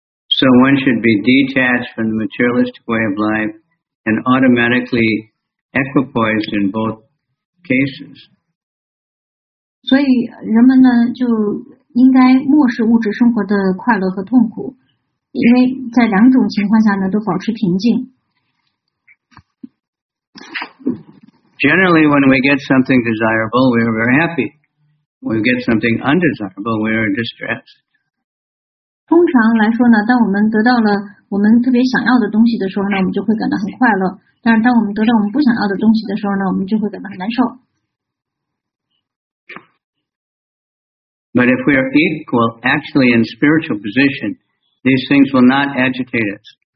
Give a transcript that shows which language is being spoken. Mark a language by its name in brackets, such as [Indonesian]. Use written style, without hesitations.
[English] So one should be detached from the materialistic way of life and automatically equipoised in both cases [Chinese] 所以人们呢就应该漠视物质生活的快乐和痛苦，因为在两种情况下呢，都保持平静。 [English] Generally, when we get something desirable, we are very happy. When we get something undesirable, we are distressed. [Chinese] 通常来说呢，当我们得到了我们特别想要的东西的时候呢，我们就会感到很快乐；但是当我们得到我们不想要的东西的时候呢，我们就会感到很难受。 [English] But if we are equal, actually in spiritual position, these things will not agitate us.